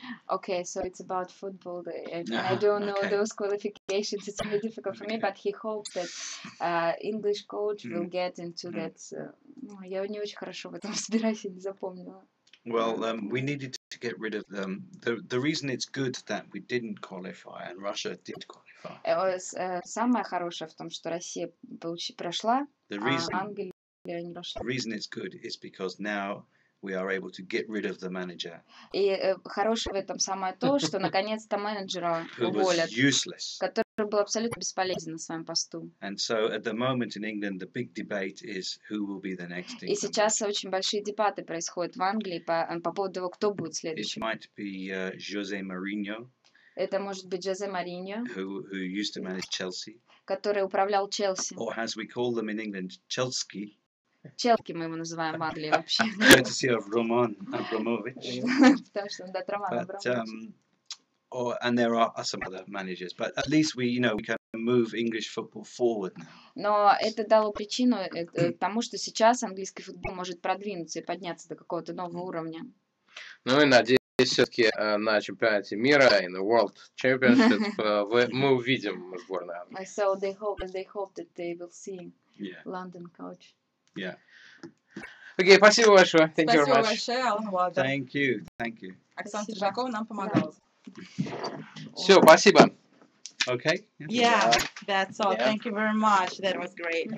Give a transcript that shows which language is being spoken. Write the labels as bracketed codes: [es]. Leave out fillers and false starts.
[en] Okay, so it's about football. I don't know those qualifications. It's very difficult for me, but he hopes that English coach will get into that. [ru] Я не очень хорошо в этом разбираюсь, не запомнила. [en] Well, we needed to get rid of them. The reason it's good that we didn't qualify and Russia did qualify. It was [ru] самое хорошее в том, что Россия прошла, а Англия. [en] The reason it's good is because now we are able to get rid of the manager. [ru] И хорошее в этом самое то, что наконец-то менеджера уволят, который был абсолютно бесполезен на своем посту. [en] And so at the moment in England the big debate is who will be the next. [ru] И сейчас очень большие дебаты происходят в Англии по поводу того, кто будет следующим. [en] It might be Jose Mourinho. [ru] Это может быть Жозе Мориньо. [en] Who used to manage Chelsea. [ru] Который управлял Челси. [en] Or as we call them in England, Chelsky. [ru] Челки мы его называем в Англии вообще. [en] Courtesy of Roman Abramovich. [ru] Потому что он дает Роман Абрамович. [en] And there are some other managers, but at least we, you know, we can move English football forward now. [ru] Но это дало причину тому, что сейчас английский футбол может продвинуться и подняться до какого-то нового уровня. Ну и надеюсь, все-таки на чемпионате мира и на World Championship мы увидим сборную Англии. [en] So they hope that they will see London coach. Yeah. [ru] Окей, спасибо большое. [en] Thank you very much. [ru] Спасибо большое, Алан Уайлдер. [en] Thank you. [ru] Оксана Тержакова нам помогала. Все, спасибо. [en] Okay. Yeah, that's all. Yeah. Thank you very much. That was great.